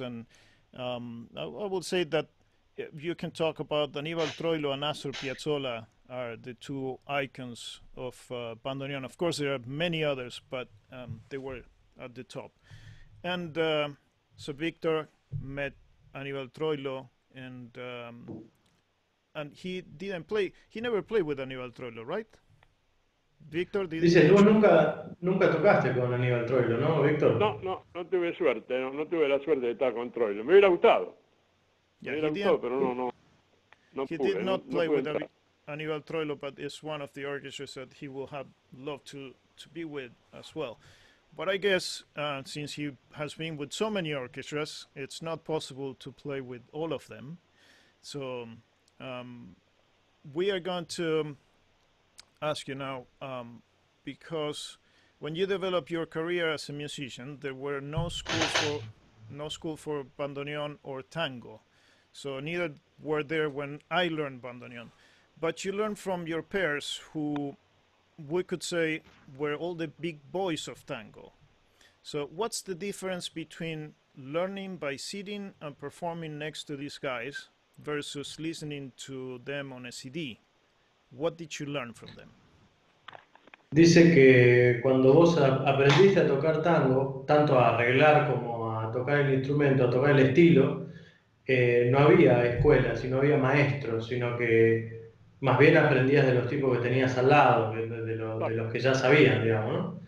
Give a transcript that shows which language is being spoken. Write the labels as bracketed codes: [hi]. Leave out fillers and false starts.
[en] And I would say that you can talk about Aníbal Troilo and Astor Piazzolla are the two icons of bandoneon. Of course, there are many others, but they were at the top. And so Victor met Aníbal Troilo, and he didn't play. He never played with Aníbal Troilo, right? Victor, did [es] dice, tú nunca tocaste con Aníbal Troilo, ¿no, Victor? No tuve suerte, no tuve la suerte de estar con Troilo. Me hubiera gustado. [en] He did not play with Aníbal Troilo, but it's one of the orchestras that he will have loved to be with as well. But I guess since he has been with so many orchestras, it's not possible to play with all of them. So we are going to ask you now, because when you develop your career as a musician, there were no school for bandoneon or tango. So neither were there when I learned bandoneon. But you learned from your peers, who we could say were all the big boys of tango. So what's the difference between learning by sitting and performing next to these guys versus listening to them on a CD? What did you learn from them? [es] Dice que cuando vos aprendiste a tocar tango, tanto a arreglar como a tocar el instrumento, a tocar el estilo, no había escuela, sino había maestros, sino que más bien aprendías de los tipos que tenías al lado, de los que ya sabían, digamos, ¿no?